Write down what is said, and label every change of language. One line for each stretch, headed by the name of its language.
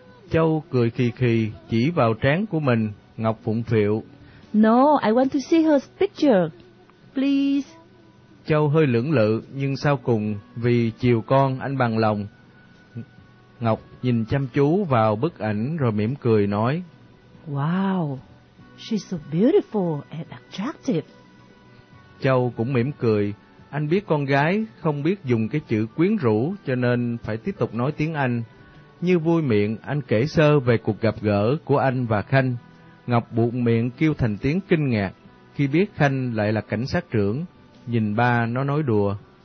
Vietnamese: Châu cười khì khì, chỉ vào trán của mình. Ngọc phụng phịu.
English: No, I want to see her picture. Please.
Vietnamese: Châu hơi lưỡng lự, nhưng sau cùng, vì chiều con, anh bằng lòng. Ngọc nhìn chăm chú vào bức ảnh rồi mỉm cười nói.
English: Wow, she's so beautiful and attractive.
Vietnamese: Châu cũng mỉm cười. Anh biết con gái không biết dùng cái chữ quyến rũ cho nên phải tiếp tục nói tiếng Anh. Như vui miệng, anh kể sơ về cuộc gặp gỡ của anh và Khanh. Ngọc buộc miệng kêu thành tiếng kinh ngạc. Khi biết Khanh lại là cảnh sát trưởng, nhìn ba nó nói đùa.